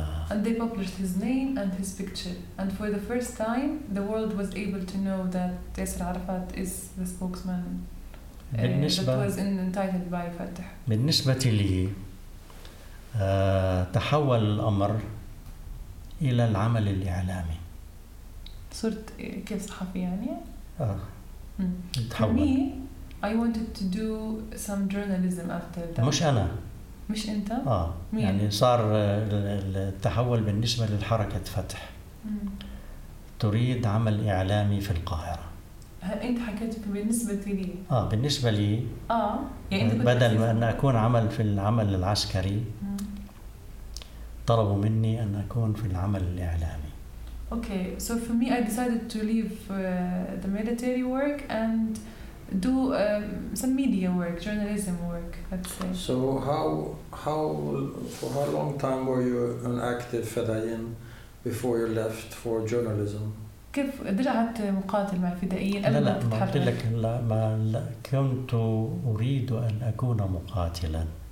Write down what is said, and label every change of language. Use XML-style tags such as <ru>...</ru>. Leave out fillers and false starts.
<en>And they published his name and his picture. And for the first time, the world was able to know that ياسر عرفات is the spokesman that was entitled by فتح.</en> <ar>بالنسبة لي تحول الأمر إلى العمل الإعلامي. صرت كيف صحفي يعني؟ تحول.</ar> <en>For me, I wanted to do some journalism after that.</en> <ar>مش أنا. مش أنت؟ مين؟ يعني صار التحول بالنسبة للحركة فتح. تريد عمل إعلامي في القاهرة. أنت حكيت بالنسبة لي. بالنسبة لي. يعني بدل ما أن أكون عمل في العمل العسكري. طلبوا مني أن أكون في العمل الإعلامي.</ar> <en>Okay, so for me, I decided to leave the military work and do some media work, journalism work, let's say. So for how long time were you an active fedayeen before you left for journalism?</en> <ar>كيف رجعت مقاتل مع الفدائيين؟ لا لا ما قلت لك لا كنت أريد أن أكون مقاتلا.</ar>